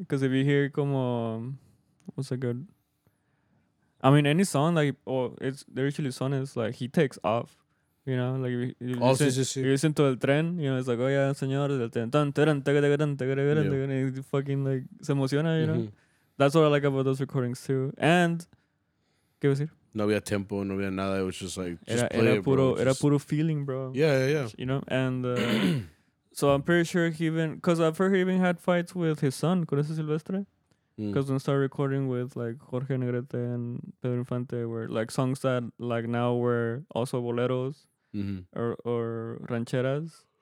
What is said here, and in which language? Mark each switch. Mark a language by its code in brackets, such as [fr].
[en] Because if you hear como... what's a good... I mean, any song, like, they're usually sones, like, he takes off. You know, like you listen to El Tren, you know, it's like, oh yeah, [es] señor, el tren, tan, tan, [en] tan, tan, tan, tan, tan, and he fucking like, [es] se emociona, [en] you know? That's what I like about those recordings too. And, [es] ¿qué iba a decir? No había tempo, no había nada, [en] it was just like, [es] era puro feeling, bro. [en] Yeah. You know, and so I'm pretty sure he even, because I've heard he even had fights with his son, Cuhhrazón Silvestre. Because when I started recording with, like, Jorge Negrete and Pedro Infante, were like, songs that, like, now were also boleros or rancheras.